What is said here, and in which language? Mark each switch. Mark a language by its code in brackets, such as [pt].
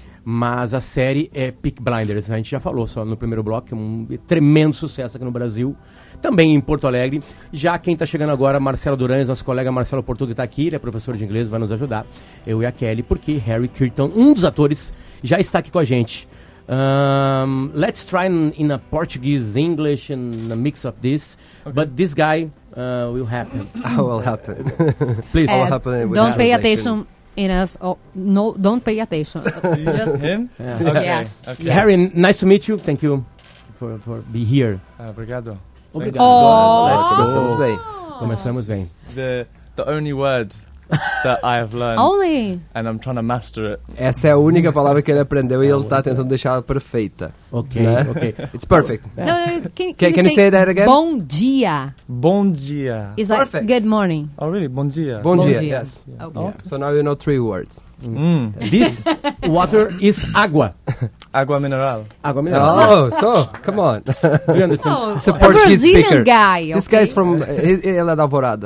[pt] Mas a série é Peaky Blinders. A gente já falou só no primeiro bloco, é um tremendo sucesso aqui no Brasil. Também em Porto Alegre. Já quem está chegando agora, Marcelo Durães, nosso colega Marcelo Portuga, está aqui. Ele é professor de inglês, vai nos ajudar. Eu e a Kelly, porque Harry Keaton, um dos atores, já está aqui com a gente. [en] Let's try in a Portuguese English and a mix of this. Okay. But this guy will happen. Will happen. Please. Will happen. Don't pay attention. In us, oh, no, don't pay attention. Just him? Yeah. Okay. Yes. Okay. Yes. Harry, nice to meet you. Thank you for being here. [pt] Obrigado. Começamos bem. Começamos bem. [en] The only word that I have learned. Only. And I'm trying to master it. [pt] Essa é a única palavra que ele aprendeu e ele está tentando deixar ela perfeita. Ok, né? Ok. [en] It's perfect. No, can you say that again? [pt] Bom dia. Bom dia. [en] It's perfect. Like good morning. Oh, really? [pt] Bom dia. Bom dia. Dia. [en] Yes. Okay. So now you know three words. Mm. This water is água. [pt] Água mineral. Água mineral. [en] Oh, so, come on. Do you understand? Oh, it's a Portuguese Brazilian speaker. Guy. Okay. This guy is from, [pt] ele é da Alvorada.